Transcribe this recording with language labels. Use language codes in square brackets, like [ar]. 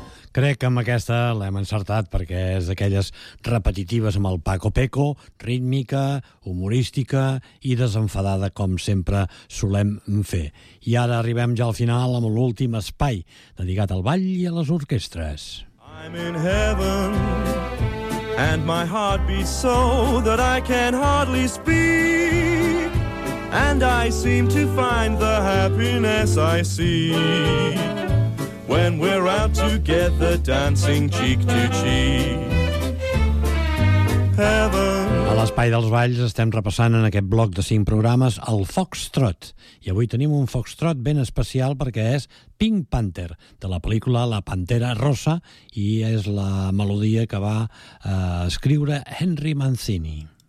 [ca] Crec que amb aquesta l'hem encertat perquè és d'aquelles repetitives amb el Paco Peco, rítmica, humorística i desenfadada, com sempre solem fer. I ara arribem ja al final amb l'últim espai, dedicat al ball i a les orquestres. [en] I'm in heaven and my heart beats so that I can hardly speak and I seem to find the happiness I seek. When we're out together dancing cheek to cheek. Heaven. [ca] A l'Espai dels Balls estem repassant en aquest bloc de 5 programes el Foxtrot. I avui tenim un Foxtrot ben especial perquè és Pink Panther, de la pel·lícula La Pantera Rosa, i és la melodia que va escriure Henry Mancini.